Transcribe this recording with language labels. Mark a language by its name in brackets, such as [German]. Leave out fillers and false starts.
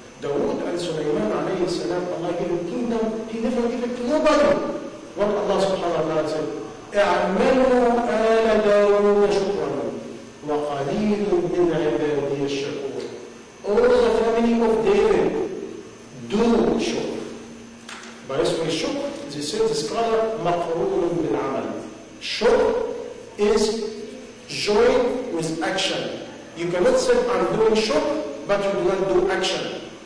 [English] Dawood and Sulaiman alayhi salam, Allah gave a kingdom, he never gave it to nobody. What Allah subhanahu wa ta'ala said, [Arabic] اَعْمَلُوا آلَ دَوُودَ شُكْرًا وَقَلِيلٌ مِنْ عِبَادِيَ الشَّكُورُ. [English] All the family of David, do shukr. By this way, shukr, they said the scholar, [Arabic] مَقْرُونٌ مِنْ عَمَلٍ. [English] Shukr is joined with action. You cannot say, I'm doing shukr, but you do not do action.